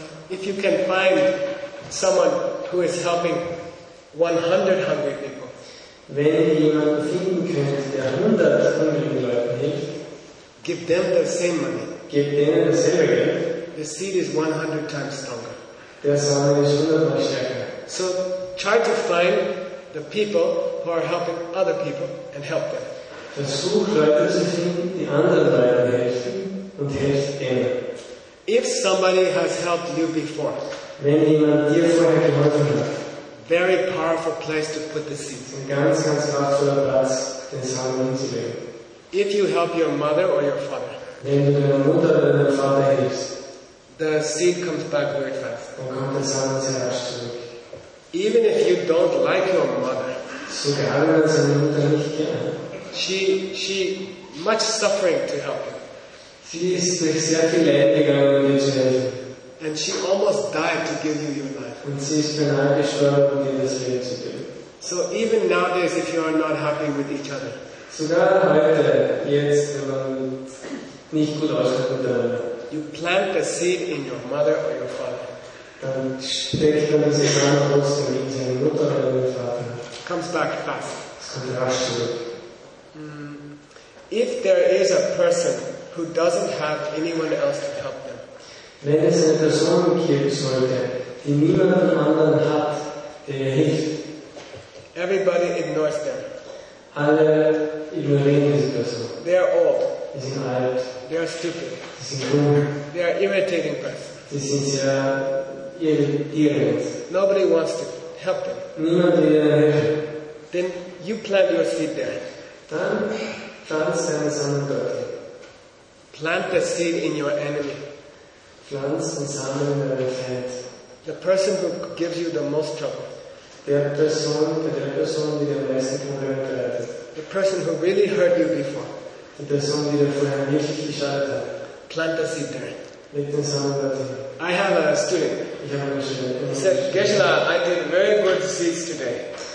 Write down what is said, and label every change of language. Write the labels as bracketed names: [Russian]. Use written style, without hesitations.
[English] If you can find someone who is helping 100 hungry people, [German] wenn ihr jemanden finden könnt, der 100 hungrigen Leuten hilft, [English] give them the same money. [German] Gib denen dasselbe Geld. [English] The seed is 100 times stronger. [German] Der Samen ist 100 mal stärker. [English] So try to find the people who are helping other people and help them. [German] Versucht Leute zu finden, die anderen Leuten helfen und helft denen. [English] If somebody has helped you before, [German] wenn jemand dir vorher geholfen hat, [English] very powerful place to put the seeds. [German] Ein ganz, ganz kraftvoller Platz, den Samen hinzulegen. [English] If you help your mother or your father, [German] wenn du deiner Mutter oder deinem Vater hilfst, [English] the seed comes back very fast. [German] Dann kommt der Samen sehr rasch zurück. [English] Even if you don't like your mother, [German] sogar wenn du deine Mutter nicht kennst, [English] she much suffering to help you. [German] Sie ist durch sehr viel Leid gegangen, um dir zu helfen. [English] And she almost died to give you your life. [German] Und sie ist beinahe gestorben, um dir das Leben zu geben. [English] So even nowadays, if you are not happy with each other, [German] sogar heute, jetzt, wenn man nicht gut auskommt miteinander, [English] you plant the seed in your mother or your father. [German] Dann steckt man diese Samen trotzdem in seine Mutter oder seinen Vater. [English] Comes back fast. [German] Es kommt rasch zurück. [English] If there is a person who doesn't have anyone else to help them, [German] wenn es eine Person geben sollte, die niemanden anderen hat, der hilft, [English] everybody ignores them. [German] Alle ignorieren diese Person. [English] They are old. [German] Sie sind alt. [English] They are stupid. [German] Sie sind dumm. [English] They are irritating persons. [German] Sie sind sehr irritierend. [English] Nobody wants to help them. [German] Niemand will ihnen helfen. [English] Then you plant your seed there. [German] Dann pflanzt deine Samen dort. [English] Plant the seed in your enemy. [German] Pflanzt den Samen in deinem Feind. [English] The person who gives you the most trouble. [German] Der Person, die dir am meisten Probleme bereitet. [English] The person who really hurt you before. [German] Die Person, die dir vorher nicht geschadet hat. [English] Plant the seed there. [German] Leg den Samen dort hin. [English] I have a student. [German] Ich habe einen Studenten. [English] He said, Geshe-la, I did very good seeds today.